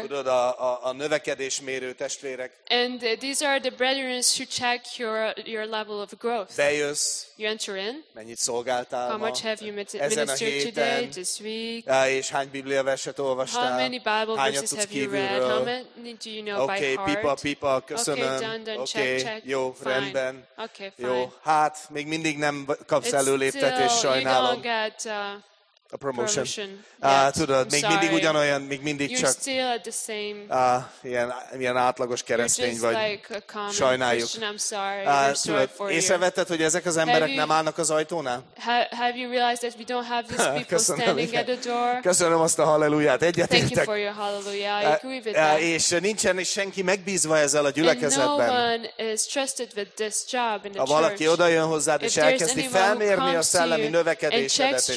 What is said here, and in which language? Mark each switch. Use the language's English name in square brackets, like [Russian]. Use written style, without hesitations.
[Hungarian] Tudod, a növekedésmérő testvérek. [English] And these are the brethren who check your level of growth. [Hungarian] Bejössz. [English] You enter in. [Hungarian] Mennyit szolgáltál [English] how much [Hungarian] ma? [English] Have you ministered today, this week? [Hungarian] És hány Biblia verset olvastál? [English] How many Bible verses have [Hungarian] kívülről? [English] You read? How many do you know okay, by heart? [Hungarian] Pipa, köszönöm. [English] Okay, done, check. [Hungarian] Jó, [English] fine. [Hungarian] Rendben. [English] Okay, fine. [Hungarian] Jó, hát, még mindig nem kapsz előléptetést, sajnálom. [English] A promotion. [Hungarian] Tudod, még mindig ugyanolyan, még mindig [English] you're [Hungarian] csak [English] still at the same, [Hungarian] ilyen átlagos keresztény vagy. [English] Like [Hungarian] sajnáljuk. Tudod, észrevetted, hogy ezek az emberek nem állnak az ajtónál? [English] Have you realized that we don't have these people [Hungarian] köszönöm, [English] standing at the door? [Hungarian] Köszönöm azt a halleluját. Egyetértek. [English] Thank you for your hallelujah. I agree with that. [Hungarian] És nincsen senki megbízva ezzel a gyülekezetben. [English] And no one is trusted with this job in the church. [Hungarian] Ha valaki odajön hozzád, és elkezdi felmérni a szellemi növekedésedet, és